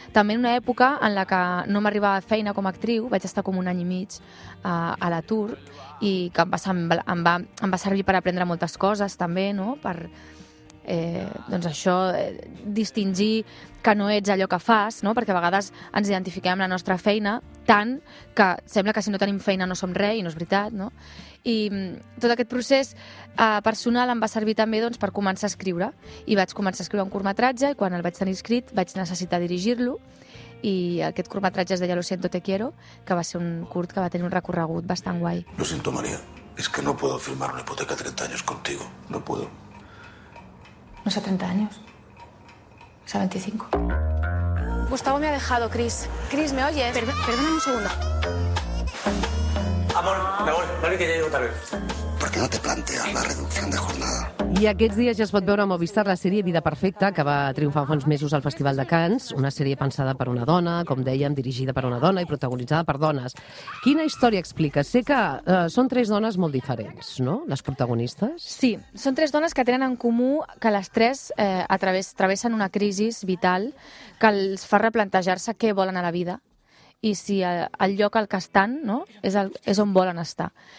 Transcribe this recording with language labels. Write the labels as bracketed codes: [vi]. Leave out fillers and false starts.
[ca] També en una època en la que no m'arribava feina com a actriu, vaig estar com un any i mig a l'atur, i que em va servir per aprendre moltes coses, també, no?, per, doncs això, distingir que no ets allò que fas, no?, perquè a vegades ens identifiquem amb la nostra feina tant que sembla que si no tenim feina no som res, i no és veritat, no? I tot aquest procés personal em va servir també, doncs, per començar a escriure, i vaig començar a escriure un curtmetratge, i quan el vaig tenir escrit vaig necessitar dirigir-lo, i aquest curtmetratge es deia Lo siento, te quiero, que va ser un curt que va tenir un recorregut bastant guai. [es] Lo siento, María, es que no puedo firmar una hipoteca 30 años contigo, no puedo. No es a 30 años, es a 25. Gustavo me ha dejado, Cris. Cris, ¿me oyes? Perdóname un segundo. Amor, me voy. Vale, que ya llego tarde. ¿Por qué no te planteas la reducción de jornada? [ca] I aquests dies ja es pot veure a Movistar la sèrie Vida Perfecta, que va triomfar fa uns mesos al Festival de Cannes, una sèrie pensada per una dona, com dèiem, dirigida per una dona i protagonitzada per dones. Quina història explica? Sé que són tres dones molt diferents, no?, les protagonistes. Sí, són tres dones que tenen en comú que les tres travessen una crisi vital que els fa replantejar-se què volen a la vida i si el lloc al que estan, no?, és on volen estar.